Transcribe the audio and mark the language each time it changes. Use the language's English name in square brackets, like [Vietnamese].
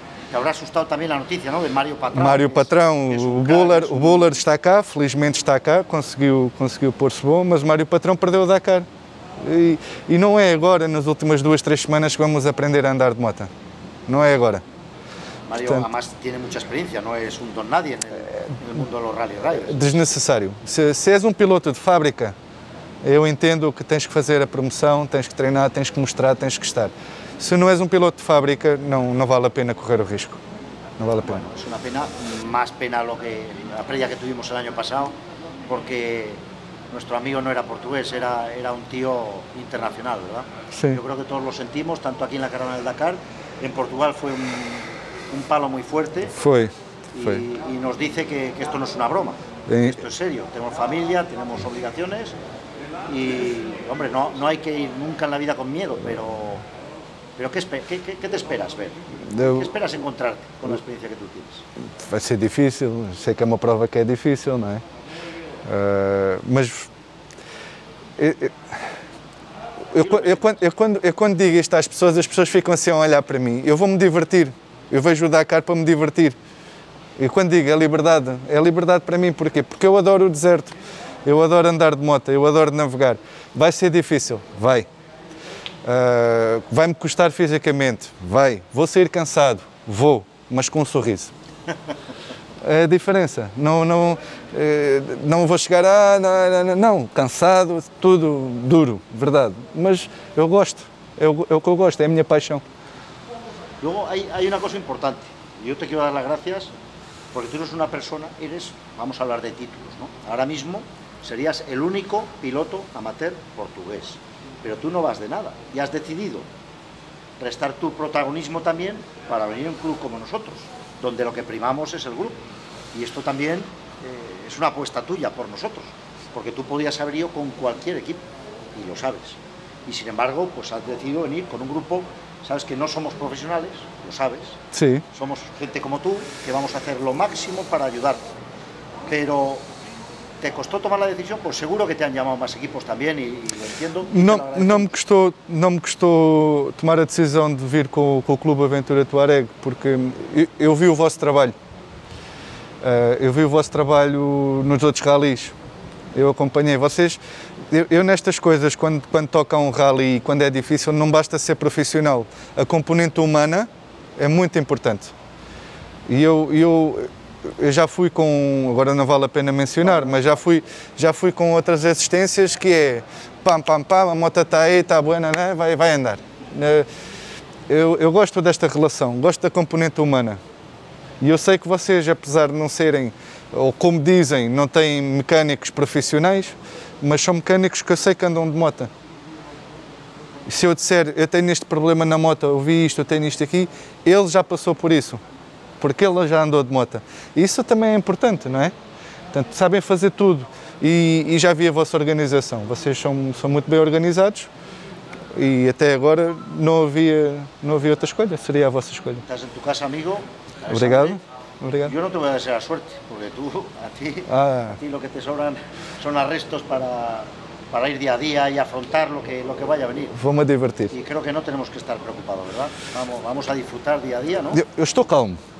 [Spanish] Te habrá [Portuguese] assustado também a notícia, não? De Mário Patrão. Mário Patrão, o Buller está cá, felizmente está cá, conseguiu pôr-se bom, mas Mário Patrão perdeu o Dakar. E não é agora, nas últimas duas, três semanas, que vamos aprender a andar de moto. Não é agora. [Spanish] Mario, portanto, además, tiene mucha experiencia, no es un don nadie en el mundo de los rally-riders. [Portuguese] Desnecessário. Se és um piloto de fábrica, eu entendo que tens que fazer a promoção, tens que treinar, tens que mostrar, tens que estar. Se não és um piloto de fábrica, não vale a pena correr o risco. Não vale a pena. [Spanish] Bueno, es una pena, más pena lo que la pérdida que tuvimos el año pasado, porque nuestro amigo no era portugués, era un tío internacional, ¿verdad? Sí. Yo creo que todos lo sentimos, tanto aquí en la caravana del Dakar, en Portugal fue un palo muy fuerte. Fue. Y nos dice que esto no es una broma. Esto es serio. Tenemos familia, tenemos obligaciones. Y, hombre, no hay que ir nunca en la vida con miedo, pero ¿qué te esperas ver? ¿Qué esperas encontrarte con la experiencia que tú tienes? Va a ser difícil. Sé que es una prueba que es difícil, ¿no? [Portuguese] Mas. Eu quando digo isto às pessoas, as pessoas ficam assim a olhar para mim. Eu vou-me divertir. Eu vejo o Dakar para me divertir. E quando digo é liberdade para mim. Porquê? Porque eu adoro o deserto. Eu adoro andar de moto, eu adoro navegar. Vai ser difícil? Vai. Vai-me custar fisicamente? Vai. Vou sair cansado? Vou. Mas com um sorriso. É a diferença. Não vou chegar a... Não. Cansado, tudo duro. Verdade. Mas eu gosto. É o que eu gosto, é a minha paixão. [Spanish] Luego hay una cosa importante, yo te quiero dar las gracias porque tú eres una persona, eres, vamos a hablar de títulos, ¿no? Ahora mismo serías el único piloto amateur portugués, pero tú no vas de nada y has decidido restar tu protagonismo también para venir a un club como nosotros, donde lo que primamos es el grupo. Y esto también es una apuesta tuya por nosotros, porque tú podías haber ido con cualquier equipo y lo sabes. Y sin embargo, pues has decidido venir con un grupo. Sabes que no somos profesionales, lo sabes. Sí. Somos gente como tú, que vamos a hacer lo máximo para ayudarte. Pero, ¿te costó tomar la decisión? Pues seguro que te han llamado más equipos también y lo entiendo. No me costó tomar la decisión de vir con el Club Aventura Tuareg, porque yo vi el vosso trabajo. Yo vi el vosso trabajo en los otros rallies. [Portuguese] Eu acompanhei vocês. Eu nestas coisas, quando toca um rally e quando é difícil, não basta ser profissional. A componente humana é muito importante. E eu já fui com... Agora não vale a pena mencionar, mas já fui com outras assistências que é... Pam, pam, pam, a moto está aí, está boa, né? vai andar. Eu gosto desta relação, gosto da componente humana. E eu sei que vocês, apesar de não serem... ou como dizem, não têm mecânicos profissionais, mas são mecânicos que eu sei que andam de moto. E se eu disser, eu tenho este problema na moto, eu vi isto, eu tenho isto aqui, ele já passou por isso, porque ele já andou de moto. Isso também é importante, não é? Portanto, sabem fazer tudo. E já vi a vossa organização, vocês são muito bem organizados, e até agora não havia outra escolha, seria a vossa escolha. Estás em tua casa, amigo. Obrigado. Obrigado. [Spanish] Yo no te voy a desear suerte, porque tú, a ti lo que te sobran son arrestos para ir día a día y afrontar lo que vaya a venir. Vamos a divertir. Y creo que no tenemos que estar preocupados, ¿verdad? Vamos a disfrutar día a día, ¿no? Yo estoy calmo.